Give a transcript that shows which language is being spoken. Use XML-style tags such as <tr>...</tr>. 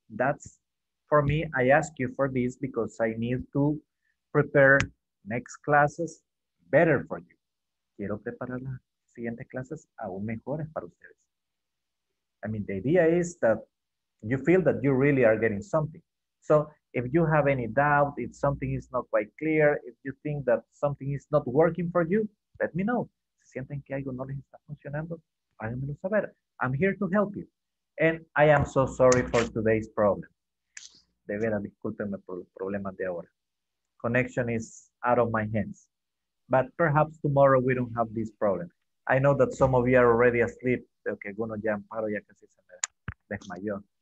<en>That's, for me, I ask you for this because I need to prepare next classes better for you.</en> <es>Quiero preparar las siguientes clases aún mejores para ustedes.</es> <en>I mean, the idea is that you feel that you really are getting something. So if you have any doubt, if something is not quite clear, if you think that something is not working for you, let me know.</en> <es>Si sienten que algo no les está funcionando, háganmelo saber.</es> <en>I'm here to help you. And I am so sorry for today's problem.</en> <es>De veras, discúlpenme por los problemas de ahora.</es> <en>Connection is out of my hands. But perhaps tomorrow we don't have this problem. I know that some of you are already asleep.</en> <es>Pero que algunos ya amparo ya casi se me desmayó.</es>